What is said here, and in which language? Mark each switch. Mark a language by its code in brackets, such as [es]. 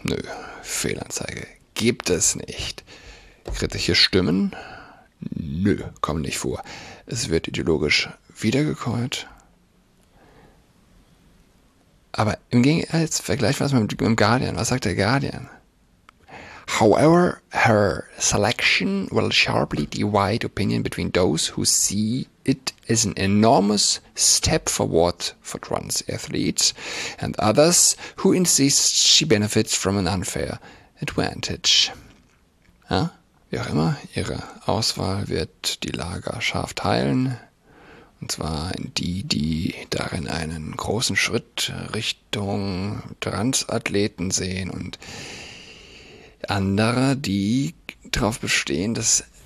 [de] Nö, Fehlanzeige. Gibt es nicht. Kritische Stimmen? Nö, kommen nicht vor. Es wird ideologisch wiedergekäut. Aber im Gegensatz, vergleich was mit dem Guardian. Was sagt der Guardian? [en] However, her selection will sharply divide opinion between those who see it as an enormous step forward for trans athletes and others who insist she benefits from an unfair advantage. [de] Ja? Wie auch immer, ihre Auswahl wird die Lager scharf teilen. Und zwar in die darin einen großen Schritt Richtung Transathleten sehen und andere, die darauf bestehen, dass